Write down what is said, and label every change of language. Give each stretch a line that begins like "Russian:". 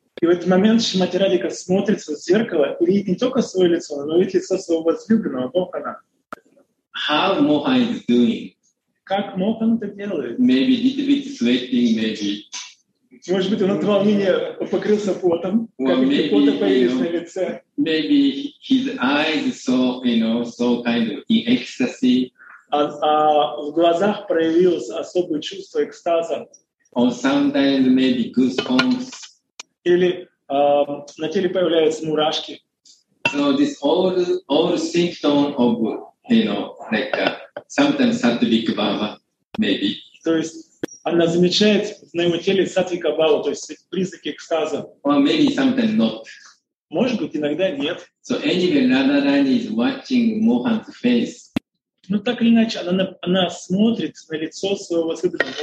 Russian: И в этот момент Шримати Радхика смотрится в зеркало и видит не только свое лицо, но и лицо своего возлюбленного, Mohana.
English: How Mohan is doing?
Russian: Как Mohan это делает?
English: Maybe a little bit sweating, maybe
Russian: Может быть, он от волнения покрылся потом,
English: Maybe his eyes so kind of in ecstasy.
Russian: А в глазах проявилось особое чувство экстаза.
English: Or sometimes maybe goosebumps.
Russian: Или на теле появляются мурашки.
English: So this all symptom of, like sometimes sattvic bhava, maybe.
Russian: То есть она замечает на его теле сатвика бхаву, то есть признаки экстаза.
English: Or maybe sometimes not.
Russian: Может быть, иногда нет.
English: So anyway, Radharani is watching Mohan's face.
Russian: Ну так или иначе, она смотрит на лицо своего сына.